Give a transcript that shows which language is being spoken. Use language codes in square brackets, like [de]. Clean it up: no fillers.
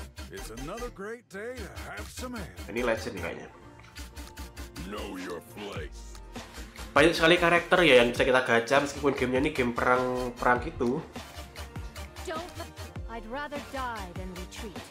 [en] It's another great day to have some ale. [id] Ini legend kayaknya. [en] Know your place. [id] Banyak sekali karakter ya yang bisa kita gacha, meskipun gamenya ini game perang-perang gitu. [en] I'd rather die than retreat.